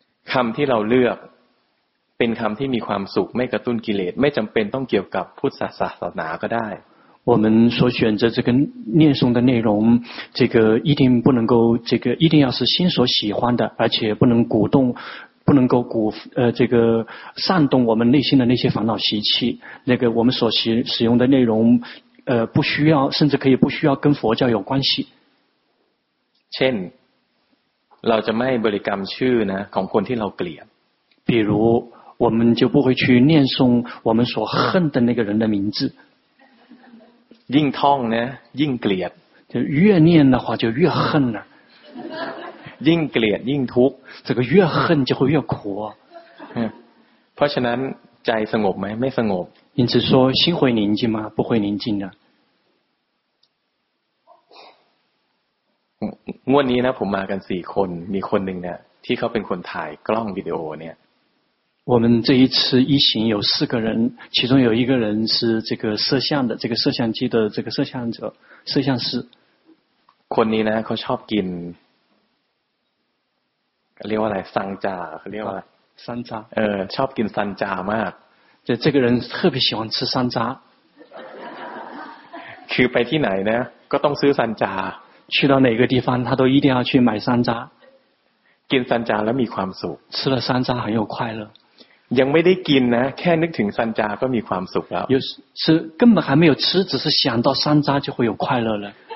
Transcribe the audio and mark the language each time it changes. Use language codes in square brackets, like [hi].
[th] คำที่เราเลือกเป็นคำที่มีความสุขไม่กระตุ้นกิเลสไม่จำเป็นต้องเกี่ยวกับพุทธศาสนาก็ได้ [zh] 我们所选择这个念诵的内容这个一定不能够这个一定要是心所喜欢的而且不能鼓动不能够鼓这个煽动我们内心的那些烦恼习气那个我们所使用的内容不需要甚至可以不需要跟佛教有关系 [th] เช่นเราจะไม่บริกรรมชื่อนะของคนที่เราเกลียด [zh] 比如我们就不会去念诵我们所恨的那个人的名字 [th] ยิ่งท่องนะยิ่งเกลียด [zh] 就越念的话就越恨了 [th] ยิ่งเกลียดยิ่งทุกข์ [zh] 这个越恨就会越苦 [th] เพราะฉะนั้นใจสงบไหมไม่สงบ [zh] 因此说心会宁静吗不会宁静的 [th] งวดนี้นะผมมากัน4คนมีคนหนึ่งเนี่ยที่เขาเป็นคนถ่ายกล้องวิดีโอเนี่ย [zh] 我们这一次一行有四个人，其中有一个人是这个摄像的，这个摄像机的这个摄像者、摄像师。 [th] คนนี้นะเขาชอบกินเรียกว่าอะไรซันจาเรียกว่า ซันจา ชอบกินซันจามาก [zh] 就这个人特别喜欢吃山楂。 [th] คือไปที่ไหนนะก็ต้องซื้อซันจา [zh] 去到哪个地方他都一定要去买山楂。 [th] กินซันจาแล้วมีความสุข [zh] 吃了山楂很有快乐。 [th] ยังไม่ได้กินนะแค่นึกถึงซันจาก็มีความสุขแล้ว [zh] 有吃根本还没有吃只是想到山楂就会有快乐了